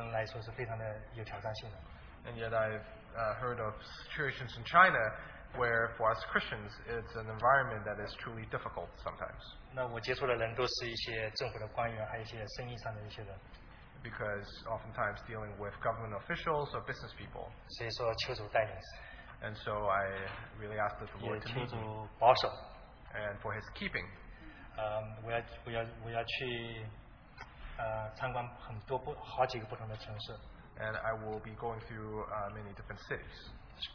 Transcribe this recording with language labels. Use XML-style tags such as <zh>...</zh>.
<zh>但是我也听到中国的一些的环境是非常的，跟对我们信主的人来说是非常的有挑战性的。</zh> <en>And yet I've heard of situations in China where for us Christians, it's an environment that is truly difficult sometimes.</en> <zh>那我接触的人都是一些政府的官员，还有一些生意上的一些人。</zh> <en>Because oftentimes dealing with government officials or business people.</en> <zh>所以说求主带领。</zh> <en>And so I really ask the Lord to lead me. And for his keeping.</en> <zh>我要去参观好几个不同的城市。</zh> <en>And I will be going through many different cities.</en>